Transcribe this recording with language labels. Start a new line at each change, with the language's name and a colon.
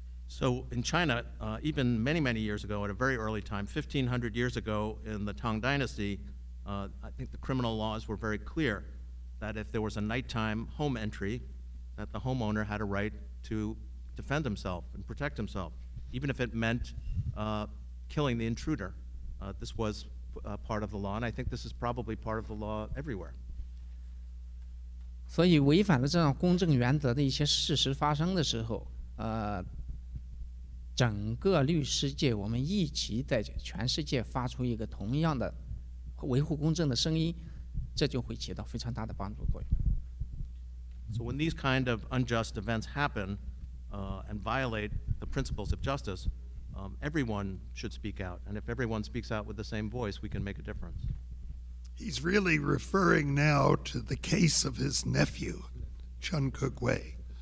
English: So in China, even many, many years ago, at a very early time, 1500 years ago in the Tang Dynasty, I think the criminal laws were very clear that if there was a nighttime home entry, that the homeowner had a right to defend himself and protect himself, even if it meant killing the intruder. This was part of the law, and I think this is probably part of the law everywhere.
Chinese: 所以违反了这样公正原则的一些事实发生的时候，整个律师界我们一起在全世界发出一个同样的维护公正的声音，这就会起到非常大的帮助作用。So
English: when these kind of unjust events happen and violate the principles of justice, Everyone should speak out, and if everyone speaks out with the same voice, we can make a difference. He's really referring now to the case of his nephew, Chen Guangcheng.